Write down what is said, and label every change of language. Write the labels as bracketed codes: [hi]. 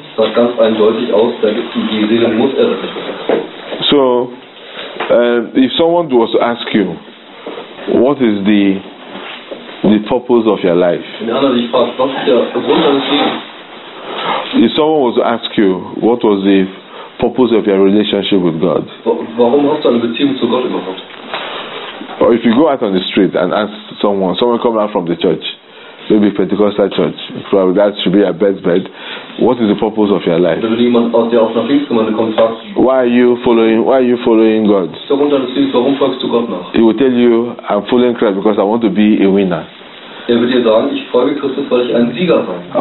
[en] So if someone was to ask you, what is the purpose of your life? If someone was to ask you, what was the purpose of your relationship with God? [de] Warum hast du eine Beziehung zu Gott überhaupt? [en] Or if you go out on the street and ask someone come out from the church, maybe Pentecostal church, probably that should be your best bet, what is the purpose of your life? Why are you following God? He will tell you, I'm following Christ because I want to be a winner. [de] Er wird dir sagen, ich folge Christus, weil ich ein Sieger sein.